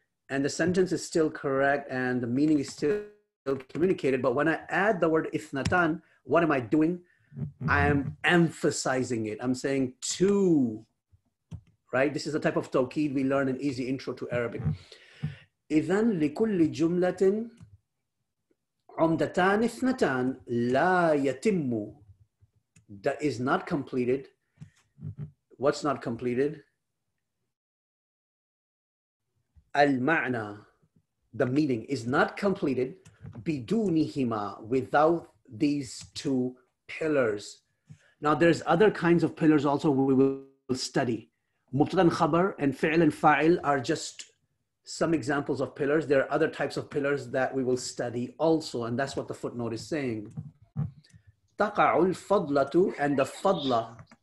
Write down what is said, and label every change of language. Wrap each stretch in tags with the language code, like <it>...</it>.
<en>And the sentence is still correct and the meaning is still communicated. But when I add the word إثنتان, what am I doing? I am emphasizing it. I'm saying two. Right? This is the type of توكيد we learn in Easy Intro to Arabic.</en> <ar>إذن لكل جملة عمدتان اثنتان لا يتم.</ar> <en>That is not completed. What's not completed?</en> <ar>المعنى.</ar> <en>The meaning is not completed</en> <ar>بدونهما,</ar> <en>without these two pillars. Now there's other kinds of pillars also we will study. مبتدأ خبر and فعل and فاعل are just some examples of pillars. There are other types of pillars that we will study also, and that's what the footnote is saying.</en> <ar>تَقَعُ الْفَضْلَةُ</ar> <en>and the</en> <ar>فَضْلَةُ.</ar>